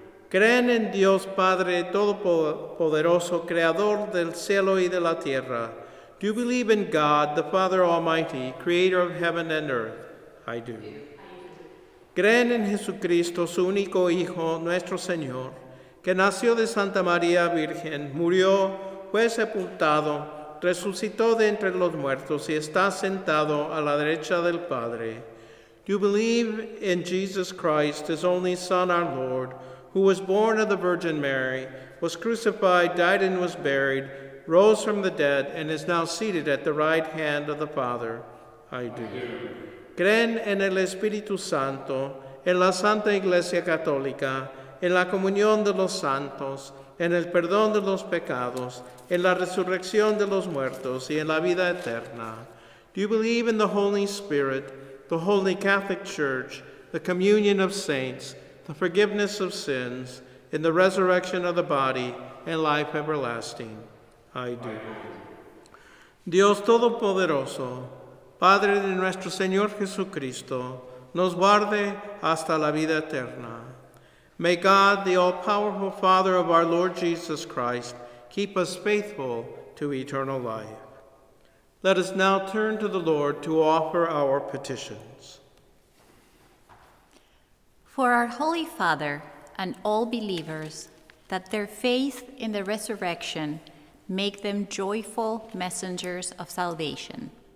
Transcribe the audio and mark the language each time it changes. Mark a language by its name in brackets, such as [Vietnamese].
[Spanish] Creen en Dios Padre Todopoderoso, Creador del cielo y de la tierra. [English] Do you believe in God, the Father Almighty, Creator of heaven and earth? I do. [Spanish] Creen en Jesucristo, su único Hijo, nuestro Señor, que nació de Santa María Virgen, murió, fue sepultado, resucitó de entre los muertos y está sentado a la derecha del Padre. [English] Do you believe in Jesus Christ, his only Son, our Lord, who was born of the Virgin Mary, was crucified, died and was buried, rose from the dead, and is now seated at the right hand of the Father? I do. [Spanish] Creen en el Espíritu Santo, en la Santa Iglesia Católica, en la comunión de los santos, en el perdón de los pecados, en la resurrección de los muertos, y en la vida eterna. [English] Do you believe in the Holy Spirit, the Holy Catholic Church, the communion of saints, the forgiveness of sins, in the resurrection of the body, and life everlasting? I do. [Spanish] Dios Todopoderoso, Padre de nuestro Señor Jesucristo, nos guarde hasta la vida eterna. [English] May God, the all-powerful Father of our Lord Jesus Christ, keep us faithful to eternal life. Let us now turn to the Lord to offer our petitions. For our Holy Father and all believers, that their faith in the resurrection make them joyful messengers of salvation.